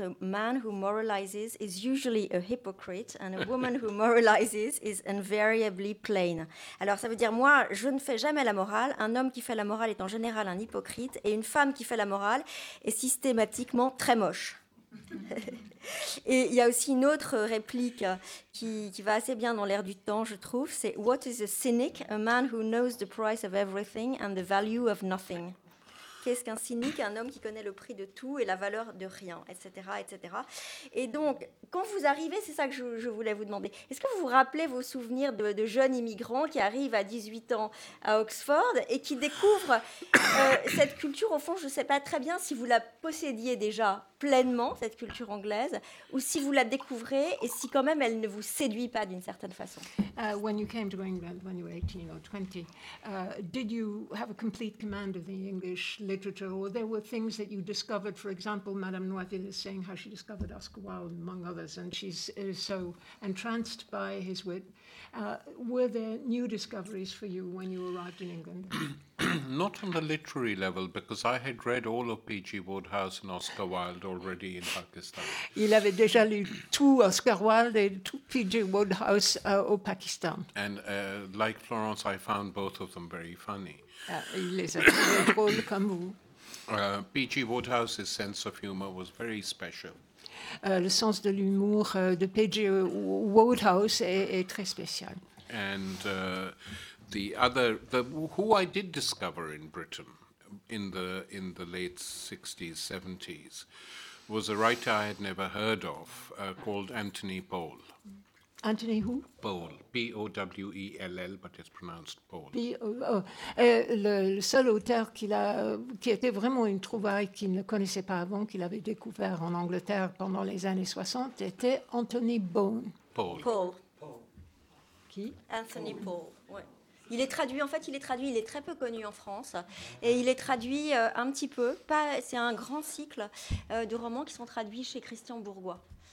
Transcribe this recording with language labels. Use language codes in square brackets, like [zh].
[en] A man who moralizes is usually a hypocrite, and a woman who moralizes is invariably plain." [fr] Alors ça veut dire, moi, je ne fais jamais la morale. Un homme qui fait la morale est en général un hypocrite, et une femme qui fait la morale est systématiquement très moche. Et il y a aussi une autre réplique qui va assez bien dans l'air du temps, je trouve. C'est [en] « What is a cynic? A man who knows the price of everything and the value of nothing. » [fr] Qu'est-ce qu'un cynique? Un homme qui connaît le prix de tout et la valeur de rien, etc., etc. Et donc, quand vous arrivez, c'est ça que je voulais vous demander. Est-ce que vous vous rappelez vos souvenirs de jeunes immigrants qui arrivent à 18 ans à Oxford et qui découvrent cette culture? Au fond, je ne sais pas très bien si vous la possédiez déjà pleinement, cette culture anglaise, ou si vous la découvrez et si quand même elle ne vous séduit pas d'une certaine façon. [en] When you came to England when you were 18 or 20, did you have a complete command of the English literature, or there were things that you discovered? For example, Madame Noiville is saying how she discovered Oscar Wilde, among others, and she's so entranced by his wit. Were there new discoveries for you when you arrived in England? Not on the literary level, because I had read all of P.G. Wodehouse and Oscar Wilde already in Pakistan. [fr] Il avait déjà lu tout Oscar Wilde et tout P.G. Wodehouse au Pakistan. [en] And like Florence, I found both of them very funny. [fr] Il les a trouvés drôles comme vous. [en] P.G. Wodehouse's sense of humor was very special. [fr] Le sens de l'humour de P.G. Wodehouse est très spécial. [en] And who I did discover in Britain in the late 60s, 70s, was a writer I had never heard of called Anthony Powell. Anthony who? Powell, P-O-W-E-L-L, but it's pronounced Powell. [fr] Le seul auteur qui était vraiment une trouvaille qu'il ne connaissait pas avant, qu'il avait découvert en Angleterre pendant les années 60, était Anthony Bone. Powell. Qui? Anthony Powell, oui. Il est traduit, en fait, il est très peu connu en France, et il est traduit un petit peu, pas, c'est un grand cycle de romans qui sont traduits chez Christian Bourgois.